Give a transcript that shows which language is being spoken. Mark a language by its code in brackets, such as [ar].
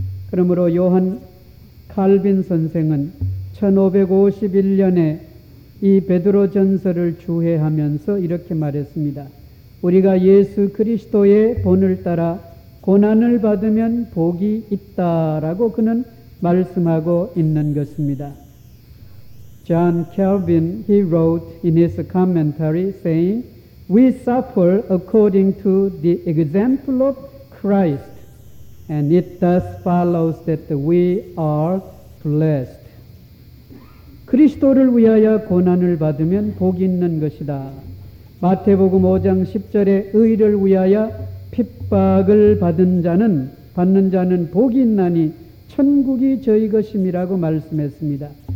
[ko] 그러므로 요한 칼빈 선생은 1551년에 이 베드로 전서를 주해하면서 이렇게 말했습니다. 우리가 예수 그리스도의 본을 따라 고난을 받으면 복이 있다라고 그는 말씀하고 있는 것입니다. [en] John Calvin, he wrote in his commentary saying, We suffer according to the example of Christ, and it thus follows that we are blessed. [ko] 그리스도를 위하여 고난을 받으면 복이 있는 것이다. 마태복음 5장 10절에 의를 위하여 핍박을 받는 자는 복이 있나니 천국이 저희 것임이라고 말씀했습니다.